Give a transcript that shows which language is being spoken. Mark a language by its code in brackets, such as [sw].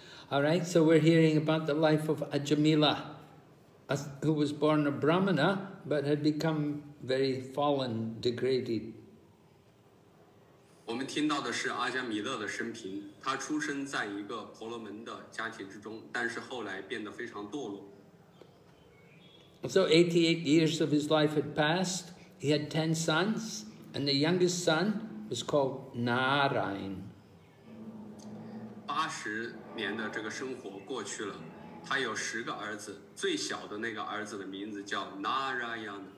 [en] All right, so we're hearing about the life of Ajamila, who was born a Brahmana, but had become very fallen, degraded. [zh] 我们听到的是阿迦弥勒的生平，他出生在一个婆罗门的家庭之中，但是后来变得非常堕落。So [en] 88 years of his life had passed. He had 10 sons, and the youngest son was called Narayan. [zh] 80年的这个生活过去了，他有10个儿子，最小的那个儿子的名字叫Narayan.